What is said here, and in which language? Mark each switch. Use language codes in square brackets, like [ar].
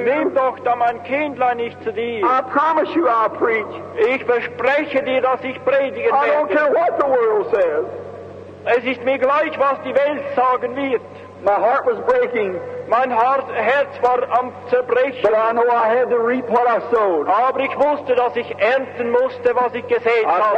[de] nimm doch da mein Kindlein nicht zu dir. [en] I promise you I'll preach. [de] Ich verspreche dir, dass ich predige. [en] I don't care what the world says. [de] Es ist mir gleich, was die Welt sagen wird. [en] My heart was breaking. [de] Mein Herz war am Zerbrechen. [en] But I know I had to reap what I sowed. [de] Aber ich wusste, dass ich ernten musste, was ich gesät hatte.